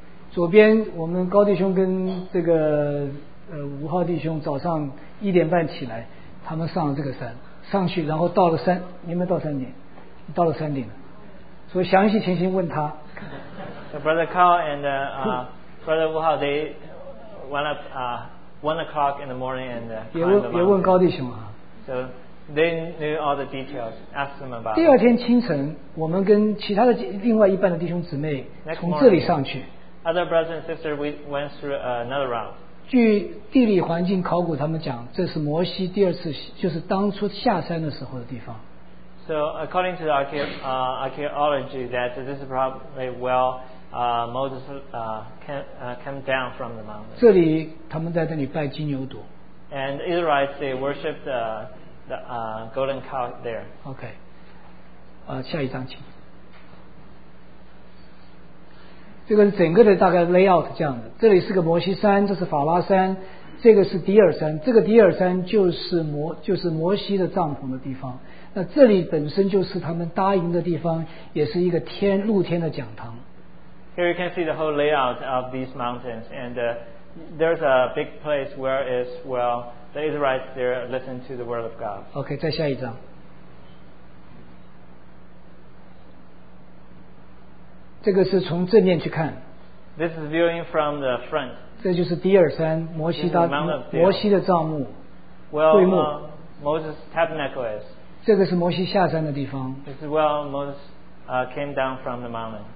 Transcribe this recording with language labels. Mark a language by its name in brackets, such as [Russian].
[Chinese] 左边我们高弟兄跟这个吴浩弟兄早上一点半起来，他们上了这个山，上去然后到了山，有没有到山顶？到了山顶了，所以详细情形问他。 [English] So Brother Carl and Brother Wu Hao, they went up1 o'clock in the morning and climbed the mountain. [Chinese] 也问高弟兄啊。 [English] So they knew all the details. Asked them about. [Chinese] 第二天清晨，我们跟其他的另外一半的弟兄姊妹从这里上去。 [English] Other brothers and sisters, we went through another route. [Chinese] 据地理环境考古，他们讲这是摩西第二次，就是当初下山的时候的地方。 [English] So according to the archaeology, that this is probably where Moses came down from the mountain. [Chinese] 这里他们在这里拜金牛犊。 [English] And Israelites they worshipped the golden cow there. [Chinese] Okay. 下一张请。这个整个的大概 layout 这样的，这里是个摩西山，这是法拉山，这个是迪尔山，这个迪尔山就是摩西的帐篷的地方。那这里本身就是他们搭营的地方，也是一个天露天的讲堂。 [English] Here you can see the whole layout of these mountains, and there's a big place where is well the Israelites there listen to the word of God. [Chinese] OK, 再下一张。这个是从正面去看。 [English] This is viewing from the front. [Chinese] 这就是迪尔山，摩西搭摩西的帐幕。 [English] Well, [Chinese] 会幕。 [English] Moses' tabernacle is. [Chinese] 这个是摩西下山的地方。 [English] This is where Moses came down from the mountain.